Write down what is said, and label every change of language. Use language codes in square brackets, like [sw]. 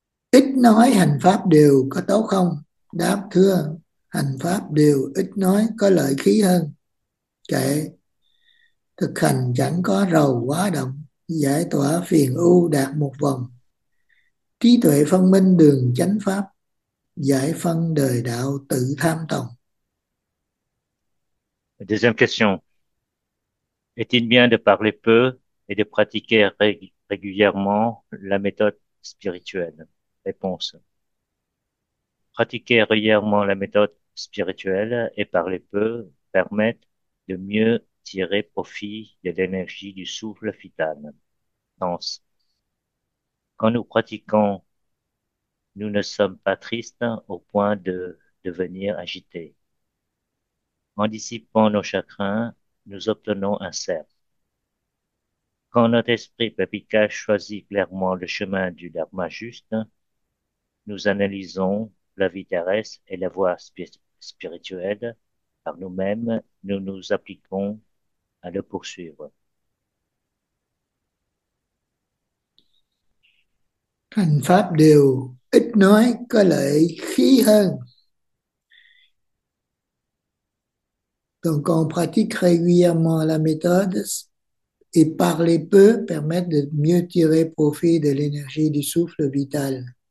[vi] Ít nói hành pháp đều có tốt không? Đáp thưa, hành pháp đều ít nói có lợi khí hơn. Kệ, thực hành chẳng có rầu quá động, giải tỏa phiền ưu đạt một vòng. Trí tuệ phân minh đường chánh pháp, giải phân đời đạo tự tham tòng. [fr] Deuxième question. Est-il bien de parler peu et de pratiquer régulièrement la méthode spirituelle? Réponse. Pratiquer régulièrement la méthode spirituelle et parler peu permettent de mieux tirer profit de l'énergie du souffle vital. Sens. Quand nous pratiquons, nous ne sommes pas tristes au point de devenir agités. En dissipant nos chagrins, nous obtenons un cercle. Quand notre esprit papika choisit clairement le chemin du dharma juste, nous analysons la vie terrestre et la voie spirituelle par nous-mêmes, nous nous appliquons à le poursuivre. [vi] Hành pháp đều ít nói có lợi khí hơn. [fr] Donc on pratique régulièrement la méthode et parler peu permet de mieux tirer profit de l'énergie du souffle vital.